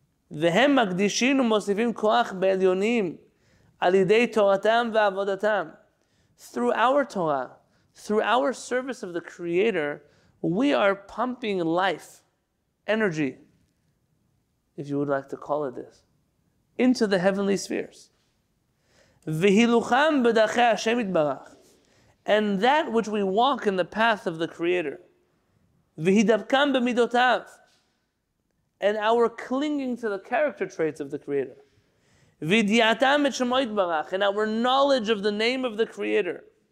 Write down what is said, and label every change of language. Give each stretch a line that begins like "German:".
Hebrew: והם מקדישים ומוסיפים כוח בעליונים על ידי תורתם ועבודתם.
English: Through our Torah, through our service of the Creator, we are pumping life, energy, if you would like to call it this, into the heavenly spheres.
Hebrew: והילוכם בדרכי השם יתברך.
English: And that which we walk in the path of the Creator.
Hebrew: והידבקם במידותיו.
English: And our clinging to the character traits of the Creator.
Hebrew: V'idiatam et shemo yitbarach,
English: and our knowledge of the name of the Creator.